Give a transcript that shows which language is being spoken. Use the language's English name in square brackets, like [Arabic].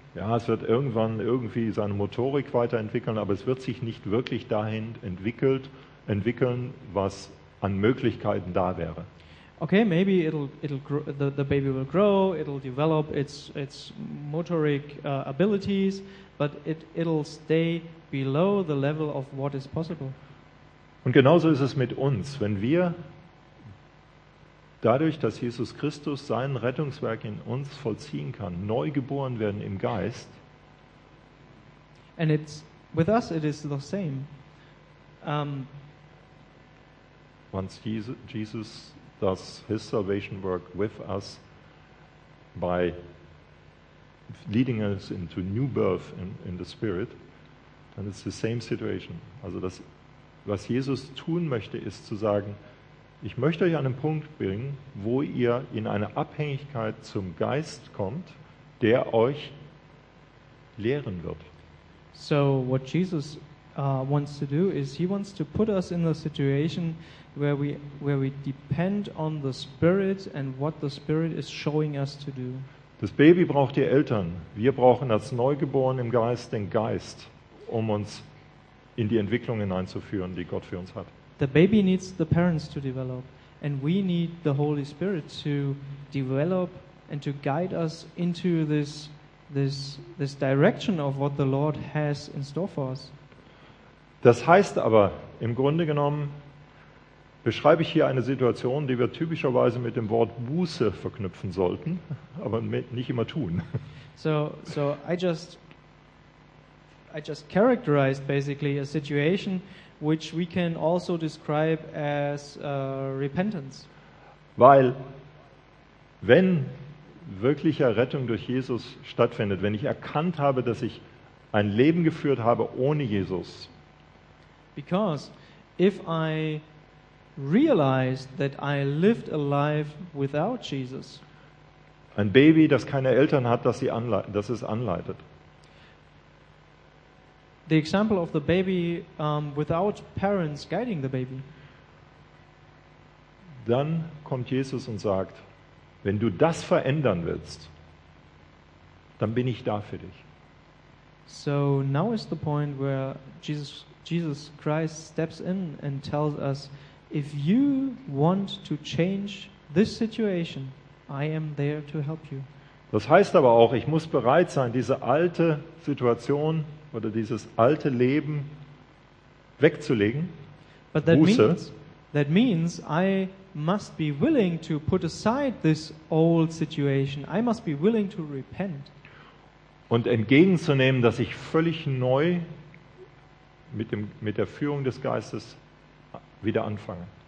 [German] Ja, es wird irgendwann irgendwie seine Motorik weiterentwickeln, aber es wird sich nicht wirklich dahin entwickeln, was an Möglichkeiten da wäre. [English] Okay, maybe the baby will grow, it'll develop its motoric abilities, but it'll stay below the level of what is possible. [German] Und genauso ist es mit uns, wenn wir dadurch, dass Jesus Christus sein Rettungswerk in uns vollziehen kann, neu geboren werden im Geist. [English] And it's with us it is the same. Once Jesus does his salvation work with us by leading us into new birth in the Spirit, then it's the same situation. [German] Also das, was Jesus tun möchte, ist zu sagen, ich möchte euch an einen Punkt bringen, wo ihr in eine Abhängigkeit zum Geist kommt, der euch lehren wird. [English] So what Jesus wants to do is he wants to put us in the situation where we depend on the Spirit and what the Spirit is showing us to do. [German] Das Baby braucht die Eltern. Wir brauchen als Neugeborene im Geist den Geist, um uns in die Entwicklung hineinzuführen, die Gott für uns hat. [English] The baby needs the parents to develop, and we need the Holy Spirit to develop and to guide us into this direction of what the Lord has in store for us. [German] Das heißt aber, im Grunde genommen, beschreibe ich hier eine Situation, die wir typischerweise mit dem Wort Buße verknüpfen sollten, aber nicht immer tun. [English] So I just characterized basically a situation which we can also describe as repentance. [German] Weil, wenn wirkliche Rettung durch Jesus stattfindet, wenn ich erkannt habe, dass ich ein Leben geführt habe ohne Jesus. [English] Because if I realized that I lived a life without Jesus. [German] Ein Baby, das keine Eltern hat, das es anleitet. [English] The example of the baby without parents guiding the baby. [German] Dann kommt Jesus und sagt, wenn du das verändern willst, dann bin ich da für dich. [English] So now is the point where Jesus Christ steps in and tells us, if you want to change this situation, I am there to help you. [German] Das heißt aber auch, ich muss bereit sein, diese alte Situation oder dieses alte Leben wegzulegen. [English] But that means I must be willing to put aside this old situation. I must be willing to repent. [German] Und entgegenzunehmen, dass ich völlig neu mit der Führung des Geistes wieder anfange.